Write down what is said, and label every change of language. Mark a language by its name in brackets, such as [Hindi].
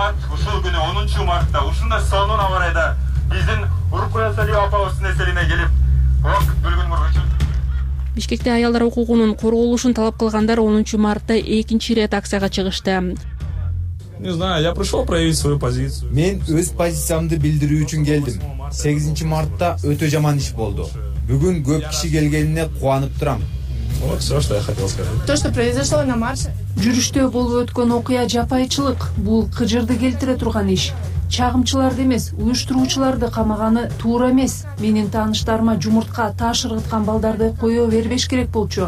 [Kyrgyz] Ушул күнү 10 мартта ушундай сонун аба ырайда биздин Уркуян Салиева апабыздын эселине келип вакыт бөлгөнүңөр үчүн. Бишкекте аялдар укугунун корголушун талап кылгандар 10 мартта экинчи ирет акцияга чыгышты. [Russian] Не знаю, я пришел проявить свою позицию. [Kyrgyz] Мен өз позициямды билдирүү үчүн келдим. 8 мартта өтө жаман иш болду. Бүгүн көп киши келгенине кубанып турам. [Russian] Вот все, что я хотел сказать. То, что произошло на марше. [Kyrgyz] Жүрүштө болуп өткөн окуя жапайчылык, бул кыжырды келтире турган иш. Чагымчыларды эмес, уюштуруучуларды камаганы туура эмес. Менин тааныштарыма жумуртка таш ыргыткан балдарды коё бербеш керек болчу.